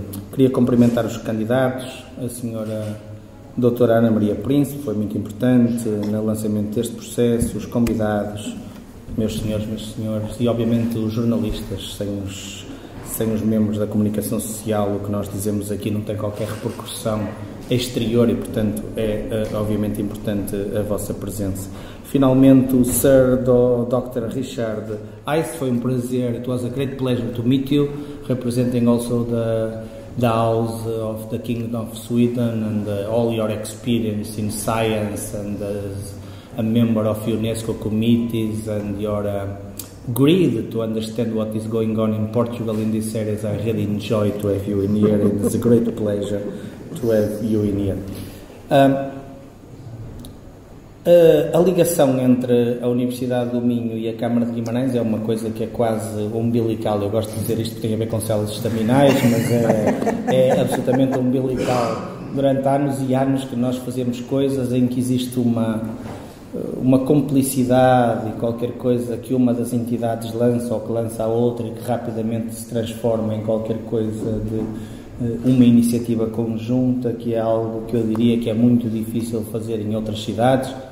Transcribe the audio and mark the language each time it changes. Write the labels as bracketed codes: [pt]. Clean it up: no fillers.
[pt] Queria cumprimentar os candidatos, a senhora doutora Ana Maria Príncipe, foi muito importante no lançamento deste processo, os convidados, meus senhores, meus senhores, e obviamente os jornalistas. Sem os membros da comunicação social, o que nós dizemos aqui não tem qualquer repercussão exterior e, portanto, é obviamente importante a vossa presença. Finalmente, o Sir Dr. Richard Ice, foi um prazer. [en] It was a great pleasure to meet you, representing also the House of the Kingdom of Sweden and all your experience in science and a member of UNESCO committees and your greed to understand what is going on in Portugal in this area. I really enjoy to have you in here. It is a great pleasure to have you in here. [pt] A ligação entre a Universidade do Minho e a Câmara de Guimarães é uma coisa que é quase umbilical. Eu gosto de dizer isto que tem a ver com células estaminais, mas é absolutamente umbilical. Durante anos e anos que nós fazemos coisas em que existe uma complicidade e qualquer coisa que uma das entidades lança ou que lança a outra e que rapidamente se transforma em qualquer coisa de uma iniciativa conjunta, que é algo que eu diria que é muito difícil fazer em outras cidades.